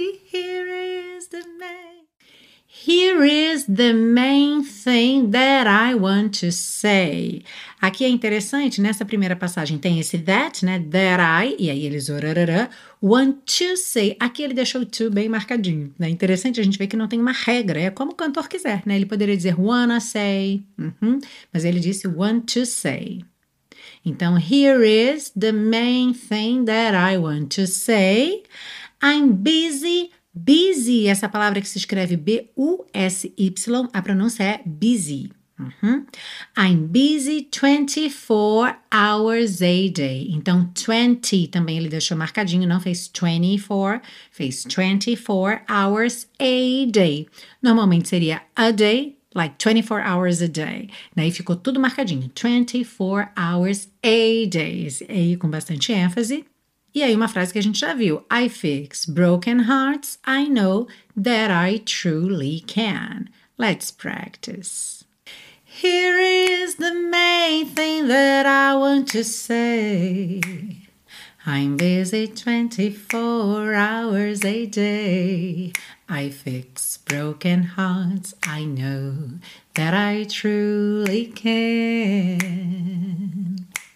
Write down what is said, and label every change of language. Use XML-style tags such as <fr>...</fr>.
<en>Here is the main. Here is the main thing that I want to say.</en> <pt>Aqui é interessante, nessa primeira passagem tem esse that, né?</pt> <en>That I,</en> <pt>e aí eles</pt> <en>want to say.</en> <pt>Aqui ele deixou o to bem marcadinho. Né? Interessante a gente ver que não tem uma regra, é como o cantor quiser, né? Ele poderia dizer</pt> <en>wanna say,</en> <pt>mas ele disse</pt> <en>want to say.</en> <pt>Então,</pt> <en>here is the main thing that I want to say. I'm busy.</en> <pt>Busy, essa palavra que se escreve B-U-S-Y, a pronúncia é busy.</pt> <en>I'm busy 24 hours a day.</en> <pt>Então, 20 também ele deixou marcadinho, não fez 24, fez</pt> <en>24 hours a day.</en> <pt>Normalmente seria</pt> <en>a day, like 24 hours a day.</en> <pt>Daí ficou tudo marcadinho,</pt> <en>24 hours a day.</en> <pt>E aí com bastante ênfase. E aí uma frase que a gente já viu,</pt> <en>I fix broken hearts, I know that I truly can. Let's practice. Here is the main thing that I want to say. I'm busy 24 hours a day. I fix broken hearts, I know that I truly can.</en>